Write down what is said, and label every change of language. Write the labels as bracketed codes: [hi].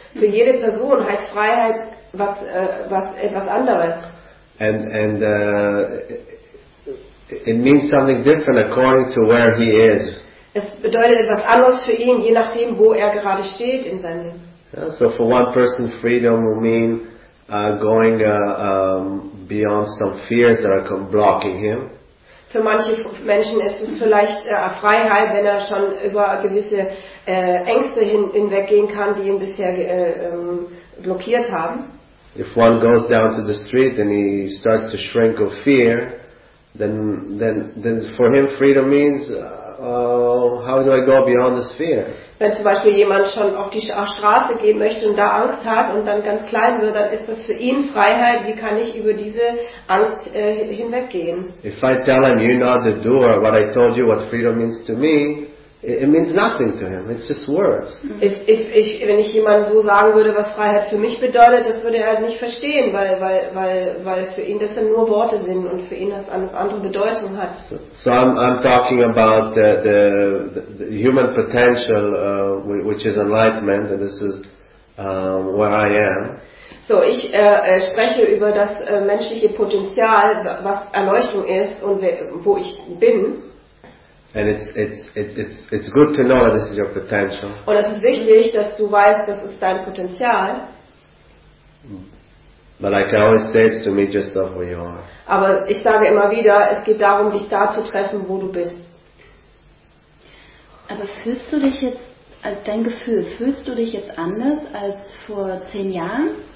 [de] Für jede Person heißt Freiheit was was etwas anderes. [en] And it means something different according to where he is. [de] Es bedeutet etwas anderes für ihn, je nachdem, wo er gerade steht in seinem Leben. [en] Yeah, so for one person, freedom will mean going beyond some fears that are blocking him. [de] Für manche Menschen ist es vielleicht Freiheit, wenn er schon über gewisse Ängste hinweggehen kann, die ihn bisher blockiert haben. [en] If one goes down to the street and he starts to shrink of fear, then for him freedom means how do I go beyond this fear? [de] Wenn zum Beispiel jemand schon auf die Straße gehen möchte und da Angst hat und dann ganz klein wird, dann ist das für ihn Freiheit. Wie kann ich über diese Angst hinweggehen? [en] If I tell him you're not the doer, what I told you what freedom means to me, it means nothing to him. It's just words. [de] Wenn ich jemand so sagen würde, was Freiheit für mich bedeutet, das würde er nicht verstehen, weil für ihn das dann nur Worte sind und für ihn das eine andere Bedeutung hat. [en] So I'm talking about the human potential, which is enlightenment, and this is where I am. [de] So ich spreche über das menschliche Potenzial, was Erleuchtung ist und wo ich bin. [en] And it's good to know that this is your potential. [de] Und es ist wichtig, dass du weißt, das ist dein Potenzial. [en] But like I always say, it's to meet yourself where you are. [de] Aber ich sage immer wieder, es geht darum, dich da zu treffen, wo du bist. Aber fühlst du dich jetzt, dein Gefühl, fühlst du dich jetzt anders als vor 10 Jahren?